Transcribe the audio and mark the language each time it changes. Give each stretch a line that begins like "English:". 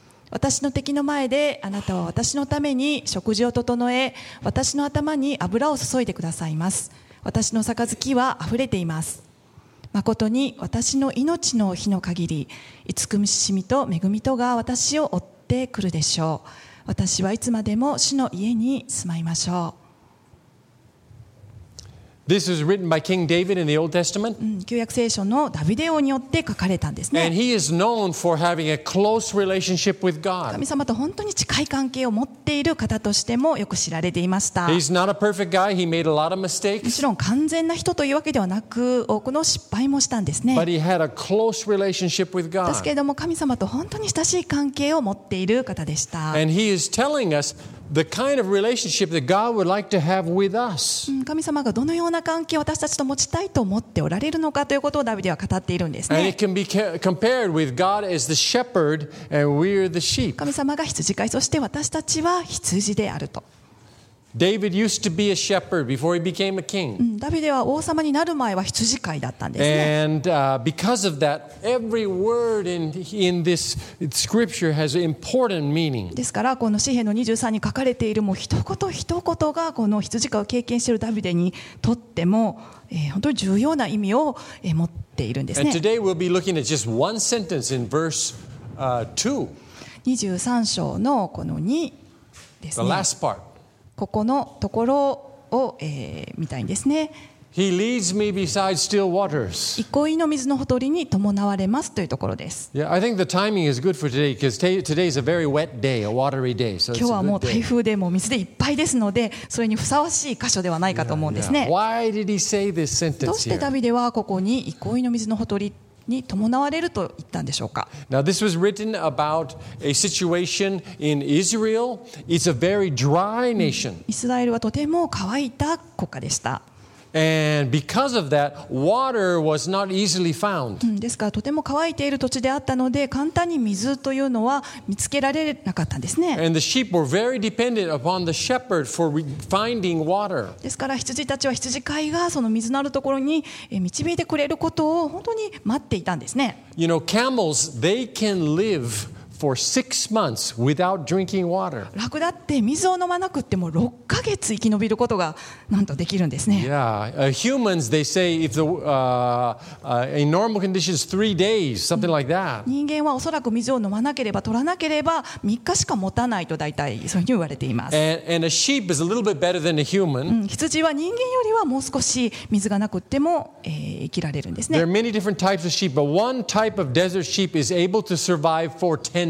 Japanese: 私の敵の前であなたは私のために食事を整え、私の頭に油を注いでくださいます。私の杯は溢れています。まことに私の命の日の限り、慈しみと恵みとが私を追ってくるでしょう。私はいつまでも主の家に住まいましょう。
English: This was written by King David in the Old Testament.
Japanese: 旧約聖書のダビデ王によって書かれたんですね。
English: And he is known for having a close relationship with God.
Japanese: 神様と本当に近い関係を持っている方としてもよく知られていました。
English: He's not a perfect guy. He made a lot of mistakes.
Japanese: もちろん完全な人というわけではなく、多くの失敗もしたんですね。
English: But he had a close relationship with God.
Japanese: ですけれども、神様と本当に親しい関係を持っている方でした。
English: And he is telling us. The kind of relationship that God would like to have with us.
Japanese: 神様がどのような関係を私たちと持ちたいと思っておられるのかということをダビデは語っているんですね。
English: And it can be compared with God as the shepherd and we are the sheep.
Japanese: 神様が羊飼い、そして私たちは羊であると。
English: David used to be a shepherd before he became a king.
Japanese: ダビデは王様になる前は羊飼いだったんですね。
English: And because of that, every word in this scripture has important meaning.
Japanese: ですからこの詩編の23に書かれているもう一言一言がこの羊飼いを経験しているダビデにとっても本当に重要な意味を持っているんですね。
English: And today we'll be looking at just one sentence in verse 2.
Japanese: 23章のこの2ですね。
English: The last part.
Japanese: ここのところを、見たいんですね。
English: He leads me beside still waters.
Japanese: 憩いの水のほとりに伴われますというところです。
English: Yeah, I think the timing is good for today because today is a very wet day, a watery day. So
Japanese: 今日はもう台風でもう水でいっぱいですので、それにふさわしい箇所ではないかと思うんですね。
English: Why did he say this sentence?
Japanese: どうしてダビデはここに憩いの水のほとりに伴われると言ったんでしょうか。
English: Now this was written about a situation in Israel. It's a very dry nation.
Japanese: イスラエルはとても乾いた国家でした。
English: And because of that, water was not easily found.
Japanese: ですからとても乾いている土地であったので、簡単に水というのは見つけられなかったんですね。
English: And the sheep were very dependent upon the shepherd for finding water.
Japanese: ですから羊たちは羊飼いがその水のあるところに導いてくれることを本当に待っていたんですね。
English: You know, camels, they can live. For six months without drinking water.
Japanese: ラクダって水を飲まなくても6ヶ月生き延びることがなんとできるんですね。
English: Yeah, humans they say if the in normal conditions 3 days, something like that.
Japanese: 人間はおそらく水を飲まなければ取らなければ3日しか持たないとだいたいそういうふうに言われています。
English: And a sheep is a little bit better than a human.
Japanese: 羊は人間よりはもう少し水がなくても、生きられるんですね。
English: There are many different types of sheep, but one type of desert sheep is able to survive for 10 days.